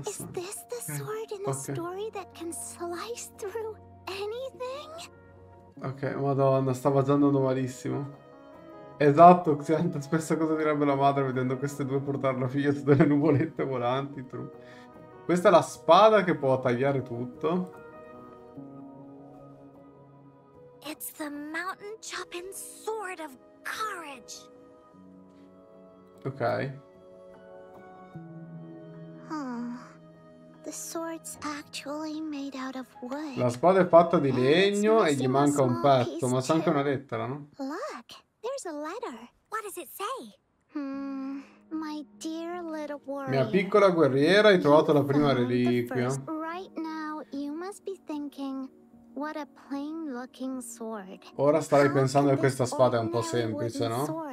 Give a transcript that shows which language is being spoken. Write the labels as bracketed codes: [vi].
[en] Is this the sword in the story that can slice through anything? [it] Ok, Madonna, stava già andando malissimo. Esatto, Xianta, spesso cosa direbbe la madre vedendo queste due portare la figlia su delle nuvolette volanti, true. Questa è la spada che può tagliare tutto. È [en] It's the mountain chopping sword of courage. Okay. The sword's actually made out of wood. [it] La spada è fatta di legno e gli manca un pezzo, ma c'è anche una lettera, no? [en] Look, there's a letter. What does it say? My dear little warrior. [it] Mia piccola guerriera, hai trovato la prima reliquia. [en] Right now you must be thinking, what a plain looking sword. [it] Ora starai pensando che questa spada è un po' semplice, no?